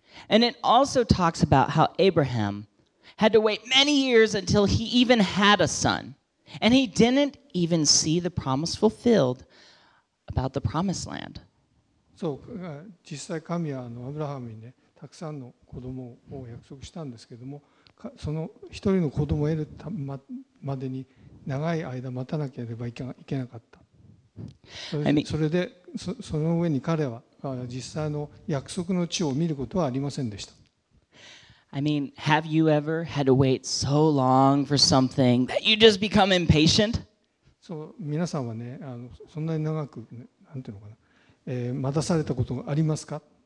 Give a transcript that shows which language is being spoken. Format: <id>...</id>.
<en>And it also talks about how Abraham had to wait many years until he even had a son. And he didn't even see the promise fulfilled about the promised land.</en> <ja>So, 実際神はアブラハムにね、たくさんの子供を約束したんですけども、その一人の子供を得るまでに長い間待たなければいけなかった。それで、その上に彼は実際の約束の地を見ることはありませんでした。</ja> <en>I mean, have you ever had to wait so long for something that you just become impatient?</en> <ja>So, 皆さんはね、そんなに長く、なんていうのかな、待たされたことがありますか?</ja>